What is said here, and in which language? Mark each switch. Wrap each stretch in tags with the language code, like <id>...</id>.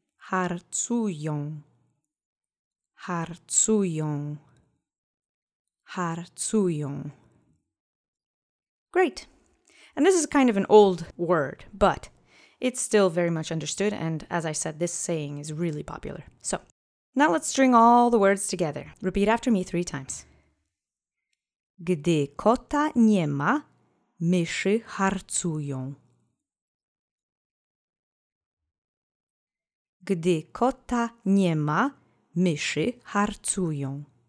<pl>Harcują, harcują, harcują.</pl> <en>Great. And this is kind of an old word, but it's still very much understood, and as I said, this saying is really popular. So, now let's string all the words together. Repeat after me three times.</en> <pl>Gdy kota nie ma, myszy harcują. Gdy kota nie ma, myszy harcują.</pl>